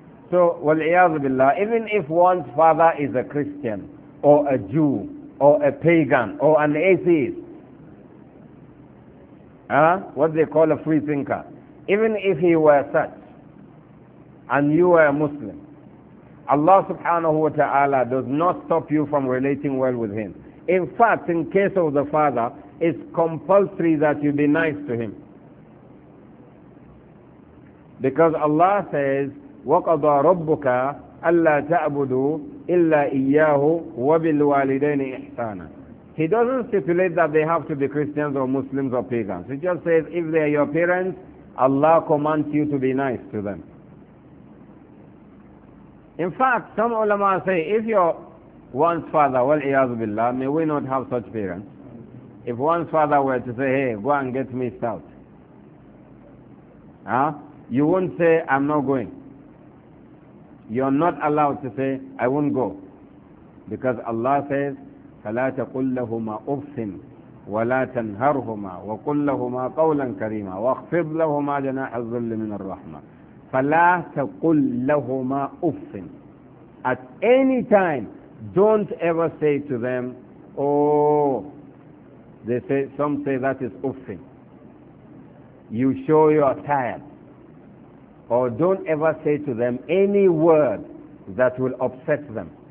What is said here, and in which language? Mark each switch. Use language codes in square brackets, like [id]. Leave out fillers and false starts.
[en] So, wal-iyadu billah, even if one's father is a Christian or a Jew or a pagan or an atheist, what they call a free thinker, even if he were such and you were a Muslim, Allah subhanahu wa ta'ala does not stop you from relating well with him. In fact, in case of the father, it's compulsory that you be nice to him. Because Allah says, [ar] وَقَضَى رَبُّكَ أَلَّا تَعْبُدُوا إِلَّا إِيَّاهُ وَبِالْوَالِدَيْنِ إِحْسَانًا. [en] He doesn't stipulate that they have to be Christians or Muslims or pagans. He just says, if they are your parents, Allah commands you to be nice to them. In fact, some ulama say, if your one's father, wal-iyadu billah, may we not have such parents, if one's father were to say, hey, go and get me stout, you won't say, I'm not going. You're not allowed to say, I won't go. Because Allah says, [ar] فَلَا تَقُلْ لَهُمَا أُفٍّ وَلَا تَنْهَرْهُمَا وَقُلْ لَهُمَا قَوْلًا كَرِيمًا وَاخْفِضْ لَهُمَا جَنَاحَ الذُّلِّ مِنَ الرَّحْمَةِ. فَلَا تَقُلْ لَهُمَا أُفٍّ. [en] At any time, don't ever say to them, oh, they say, some say that is uffing. You show you are tired. Or don't ever say to them any word that will upset them.